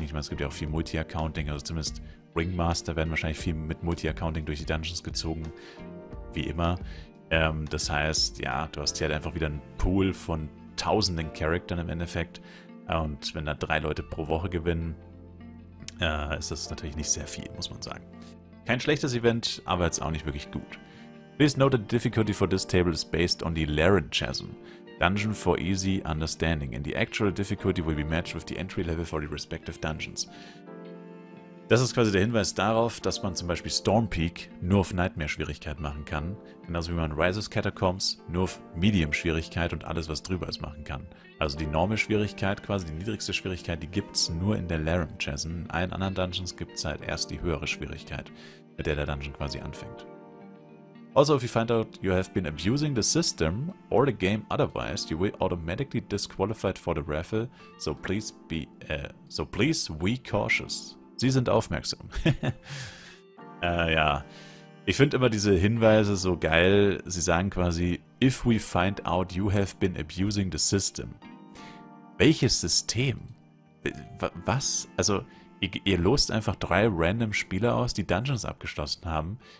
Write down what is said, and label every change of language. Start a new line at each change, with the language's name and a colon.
German: Ich meine, es gibt ja auch viel Multi-Accounting, also zumindest Ringmaster werden wahrscheinlich viel mit Multi-Accounting durch die Dungeons gezogen, wie immer. Das heißt, ja, du hast hier halt einfach wieder einen Pool von tausenden Charaktern im Endeffekt, und wenn da 3 Leute pro Woche gewinnen, ist das natürlich nicht sehr viel, muss man sagen. Kein schlechtes Event, aber jetzt auch nicht wirklich gut.
English: Please note that the difficulty for this table is based on the Laryngasm, Dungeon for Easy Understanding, and the actual difficulty will be matched with the entry level for the respective dungeons.
German: Das ist quasi der Hinweis darauf, dass man zum Beispiel Stormpeak nur auf Nightmare-Schwierigkeit machen kann, genauso wie man Rise's Catacombs nur auf Medium-Schwierigkeit und alles, was drüber ist, machen kann. Also die normale Schwierigkeit, quasi die niedrigste Schwierigkeit, die gibt es nur in der Laryngasm. In allen anderen Dungeons gibt es halt erst die höhere Schwierigkeit, mit der Dungeon quasi anfängt.
English: Also, if you find out you have been abusing the system or the game otherwise, you will automatically disqualified for the raffle, so please be, cautious.
German: Sie sind aufmerksam. ja, ich finde immer diese Hinweise so geil. Sie sagen quasi,
English: if we find out you have been abusing the system.
German: Welches System? Was? Also, ihr lost einfach 3 random Spieler aus, die Dungeons abgeschlossen haben.